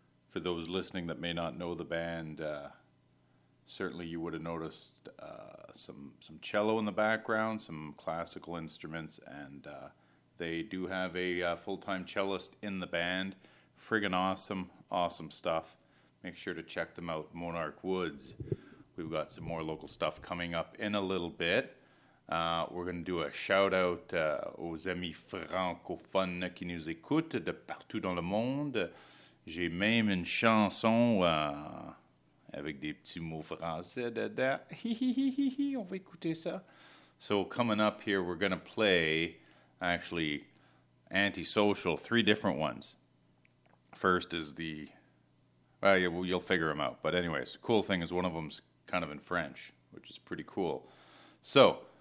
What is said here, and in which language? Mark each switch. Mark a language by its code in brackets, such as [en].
[en] For those listening that may not know the band, certainly you would have noticed some cello in the background, some classical instruments, and they do have a full-time cellist in the band. Friggin' awesome, awesome stuff. Make sure to check them out, Monarch Wood's. We've got some more local stuff coming up in a little bit. We're going to do a shout-out [fr] aux amis francophones qui nous écoutent de partout dans le monde. J'ai même une chanson avec des petits mots français dedans. On va écouter ça. [en] So coming up here, we're going to play, actually, Antisocial, three different ones. First is the... Well, you'll figure them out. But anyways, cool thing is one of them's kind of in French, which is pretty cool. So...